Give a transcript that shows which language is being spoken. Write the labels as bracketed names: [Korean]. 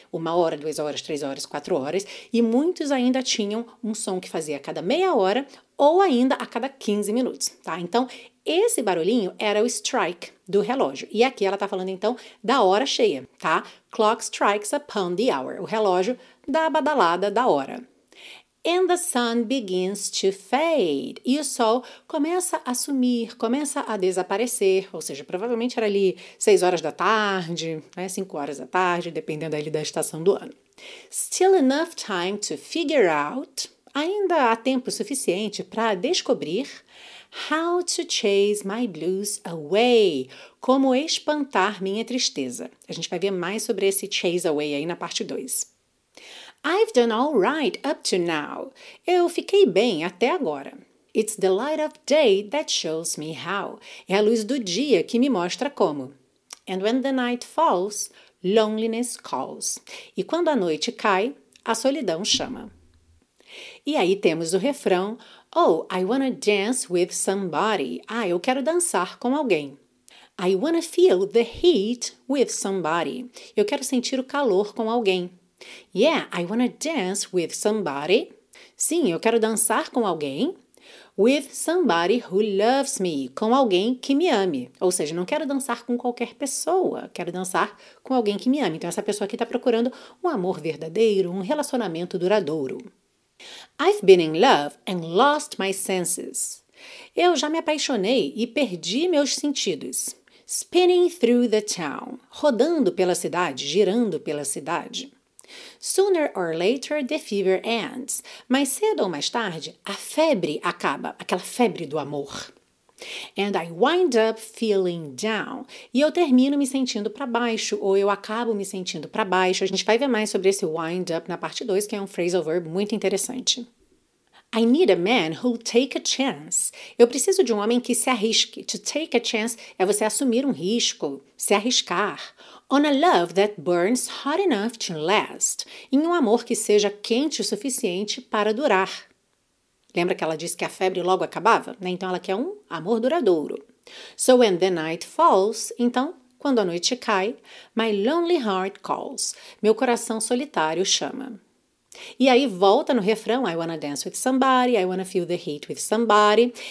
[Portuguese] Uma hora, 2 horas, 3 horas, 4 horas, e muitos ainda tinham um som que fazia a cada meia hora ou ainda a cada 15 minutos, tá? Então, esse barulhinho era o strike do relógio. E aqui ela tá falando, então, da hora cheia, tá? [English] Clock strikes upon the hour. [Portuguese] O relógio dá a badalada da hora. [English] And the sun begins to fade. [Portuguese] E o sol começa a sumir, começa a desaparecer. Ou seja, provavelmente era ali 6 horas da tarde, né, 5 horas da tarde, dependendo ali da estação do ano. [English] Still enough time to figure out. [Portuguese] Ainda há tempo suficiente para descobrir [English] how to chase my blues away. [Portuguese] Como espantar minha tristeza. A gente vai ver mais sobre esse chase away aí na parte 2. [English] I've done all right up to now. [Portuguese] Eu fiquei bem até agora. [English] It's the light of day that shows me how. [Portuguese] É a luz do dia que me mostra como. [English] And when the night falls, loneliness calls. [Portuguese] E quando a noite cai, a solidão chama. E aí temos o refrão. [English] Oh, I wanna dance with somebody. [Portuguese] Ah, eu quero dançar com alguém. [English] I wanna feel the heat with somebody. [Portuguese] Eu quero sentir o calor com alguém. [English] Yeah, I wanna dance with somebody. [Portuguese] Sim, eu quero dançar com alguém. [English] With somebody who loves me. [Portuguese] Com alguém que me ame. Ou seja, não quero dançar com qualquer pessoa. Quero dançar com alguém que me ame. Então, essa pessoa aqui está procurando um amor verdadeiro, um relacionamento duradouro. [English] I've been in love and lost my senses. [Portuguese] Eu já me apaixonei e perdi meus sentidos. [English] Spinning through the town. [Portuguese] Rodando pela cidade, girando pela cidade. [English] Sooner or later, the fever ends. [Portuguese] Mais cedo ou mais tarde, a febre acaba, aquela febre do amor. [English] And I wind up feeling down. [Portuguese] E eu termino me sentindo para baixo, ou eu acabo me sentindo para baixo. A gente vai ver mais sobre esse wind up na parte 2, que é um phrasal verb muito interessante. [English] I need a man who'll take a chance. [Portuguese] Eu preciso de um homem que se arrisque. To take a chance é você assumir um risco, se arriscar. [English] On a love that burns hot enough to last. [Portuguese] Em um amor que seja quente o suficiente para durar. Lembra que ela disse que a febre logo acabava? Né? Então ela quer um amor duradouro. [English] So when the night falls, [Portuguese] então, quando a noite cai, [English] my lonely heart calls. [Portuguese] Meu coração solitário chama. E aí volta no refrão, [English] I wanna dance with somebody, I wanna feel the heat with somebody.